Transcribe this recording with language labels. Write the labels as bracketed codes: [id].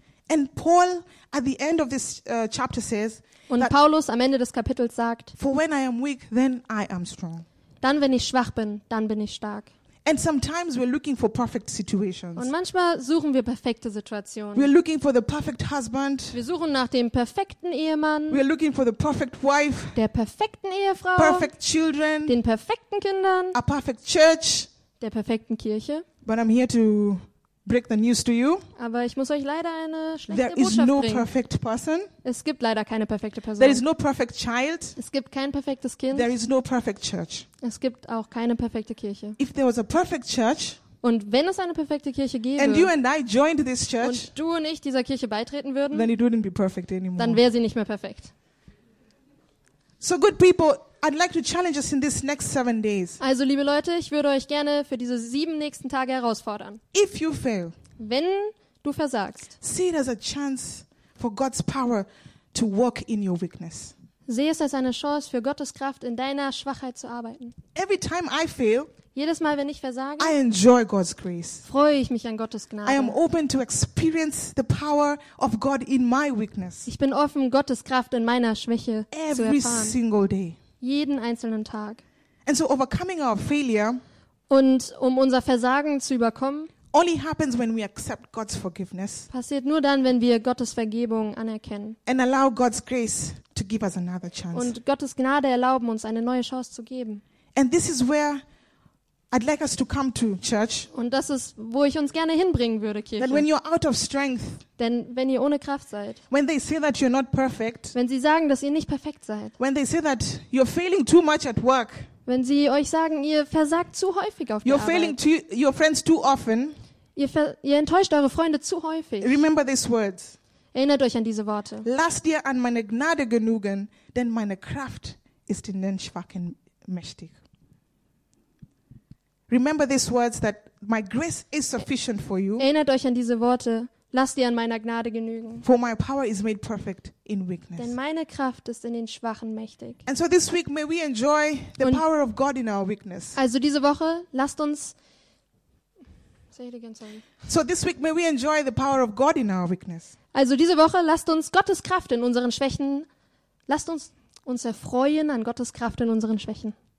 [en] And Paul at the end of this chapter says, [de] und Paulus am Ende des Kapitels sagt, [en] for when I am weak, then I am strong. [de] Dann wenn ich schwach bin, dann bin ich stark. [en] And sometimes we're looking for perfect situations. [de] Und manchmal suchen wir perfekte Situationen. [en] We're looking for the perfect husband. [de] Wir suchen nach dem perfekten Ehemann. [en] We're looking for the perfect wife. [de] Der perfekten Ehefrau. [en] Perfect children. [de] Den perfekten Kindern. [en] A perfect church. [de] Der perfekten Kirche. [en] But I'm here to break the news to you. [de] Aber ich muss euch leider eine schlechte [en] There [de] Botschaft [en] is no [de] bringen. [en] Perfect person. [de] Es gibt leider keine perfekte Person. [en] There is no perfect child. [de] Es gibt kein perfektes Kind. [en] There is no perfect church. [de] Es gibt auch keine perfekte Kirche. [en] If there was a perfect church, [de] und wenn es eine perfekte Kirche gäbe, [en] and you and I joined this church, [de] und du und ich dieser Kirche beitreten würden, [en] then it wouldn't be perfect anymore. [de] Dann wäre sie nicht mehr perfekt. [en] So good people, I'd like to challenge us in these next 7 days. [de] Also, liebe Leute, ich würde euch gerne für diese 7 nächsten Tage herausfordern. [en] If you fail, [de] wenn du versagst, [en] see it as a chance for God's power to work in your weakness. [de] Sehe es als eine Chance für Gottes Kraft in deiner Schwachheit zu arbeiten. [en] Every time I fail, [de] jedes Mal, wenn ich versage, [en] I enjoy God's grace. [de] Freue ich mich an Gottes Gnade. [en] I am open to experience the power of God in my weakness. [de] Ich bin offen, Gottes Kraft in meiner Schwäche [en] Every [de] zu erfahren. [en] Every single day. [de] Jeden einzelnen Tag. [en] And so overcoming our failure, [de] und um unser Versagen zu überkommen, [en] only happens when we accept God's forgiveness, [de] passiert nur dann, wenn wir Gottes Vergebung anerkennen, [en] and allow God's grace to give us another chance, [de] und Gottes Gnade erlauben, uns eine neue Chance zu geben. [en] And this is where I'd like us to come to, church. [de] Und das ist, wo ich uns gerne hinbringen würde, Kirche. [en] That when you're out of strength, [de] denn wenn ihr ohne Kraft seid, [en] when they say that you're not perfect, [de] wenn sie sagen, dass ihr nicht perfekt seid, [en] when they say that you're failing too much at work, [de] wenn sie euch sagen, ihr versagt zu häufig auf [en] you're [de] der [en] failing [de] Arbeit, [en] to your friends too often, [de] ihr enttäuscht eure Freunde zu häufig, [en] remember these words. [de] Erinnert euch an diese Worte. Lasst dir an meine Gnade genügen, denn meine Kraft ist in den Schwachen mächtig. [en] Remember these words that my grace is sufficient for you. [de] Erinnert euch an diese Worte. Lasst dir an meiner Gnade genügen. [en] For my power is made perfect in weakness. [de] Denn meine Kraft ist in den Schwachen mächtig. [en] And so this week may we enjoy the Und power of God in our weakness. [de] Also diese Woche lasst uns. [en] Say it again, sorry. So this week may we enjoy the power of God in our weakness. [de] Also diese Woche lasst uns Gottes Kraft in unseren Schwächen. Lasst uns erfreuen an Gottes Kraft in unseren Schwächen.